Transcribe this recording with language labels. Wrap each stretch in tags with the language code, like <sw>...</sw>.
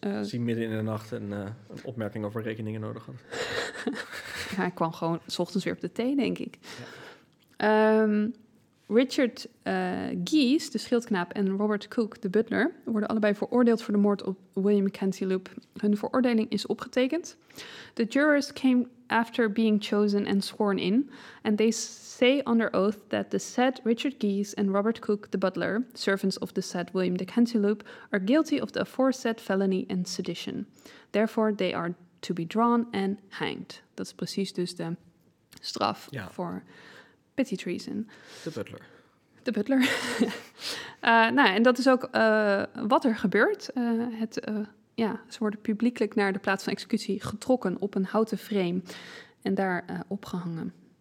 <nl>Als hij midden in de nacht een opmerking over rekeningen nodig had. Ja, hij kwam gewoon 's ochtends weer op de thee, denk ik. Ja. Richard Gies, de schildknaap, en Robert Cook, de butler, worden allebei veroordeeld voor de moord op William Cantilupe. Hun veroordeling is opgetekend.</nl> <en>The jurors came after being chosen and sworn in. And they say under oath that the said Richard Gies and Robert Cook, the butler, servants of the said William de Cantilupe, are guilty of the aforesaid felony and sedition. Therefore, they are to be drawn and hanged.</en> <nl>Dat is precies dus de straf voor...</nl> <en>Petty treason.</en> <nl>De butler. En dat is ook wat er gebeurt. Ze worden publiekelijk naar de plaats van executie getrokken op een houten frame en daar opgehangen.</nl>